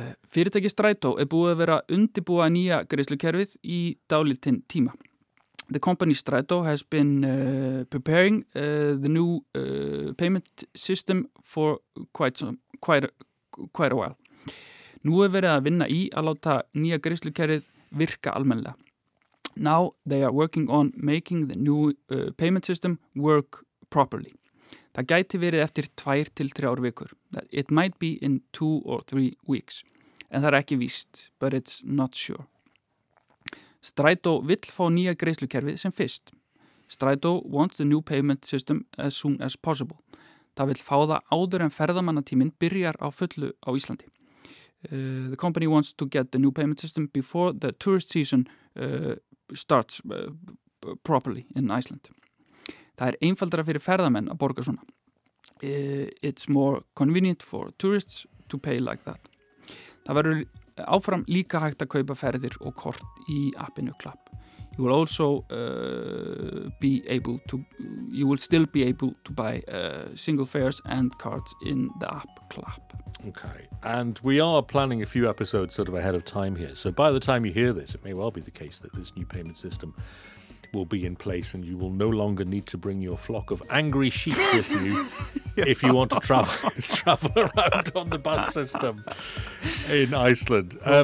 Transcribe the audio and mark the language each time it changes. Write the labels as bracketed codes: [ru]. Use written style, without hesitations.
[is] Fyrirtæki Strætó búið að vera undibúa nýja greiðslukerfið í dálítinn tíma. [en] The company Strætó has been preparing the new payment system for quite a while. [is] Nú verið að vinna í að láta nýja greiðslukerfið virka almennlega. [en] Now they are working on making the new payment system work properly. [is] Það gæti verið eftir 2-3 vikur. [en] It might be in 2 or 3 weeks. [is] En það ekki víst, [en] but it's not sure. [is] Strætó vill fá nýja greiðslukerfið sem fyrst. [en] Strætó wants the new payment system as soon as possible. [is] Það vill fá það áður en ferðamannatíminn byrjar á fullu á Íslandi. [en] The company wants to get the new payment system before the tourist season starts properly in Iceland. [is] Það einfaldara fyrir ferðamenn að borga svona. [en] It's more convenient for tourists to pay like that. [is] Það verður áfram líka hægt að kaupa ferðir og kort í appinu Klapp. [en] You will also be able to, you will still be able to buy single fares and cards in the app Klapp. Okay, and we are planning a few episodes sort of ahead of time here. So by the time you hear this, it may well be the case that this new payment system will be in place and you will no longer need to bring your flock of angry sheep with you if you want to travel around on the bus system in Iceland.